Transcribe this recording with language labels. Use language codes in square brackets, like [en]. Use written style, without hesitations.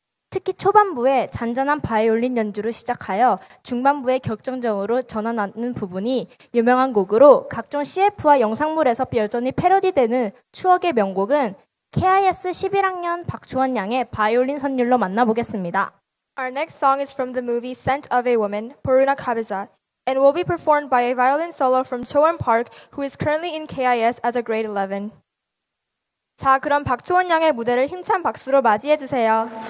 [ko] 특히 초반부에 잔잔한 바이올린 연주로 시작하여 중반부에 격정적으로 전환하는 부분이 유명한 곡으로 각종 CF와 영상물에서 여전히 패러디되는 추억의 명곡은 KIS 11학년 박초원 양의 바이올린 선율로 만나보겠습니다. [en] Our next song is from the movie Scent of a Woman, Bruna Cabeza, and will be performed by a violin solo from Choeun Park, who is currently in KIS as a grade 11. [ko] 자, 그럼 박초원 양의 무대를 힘찬 박수로 맞이해 주세요.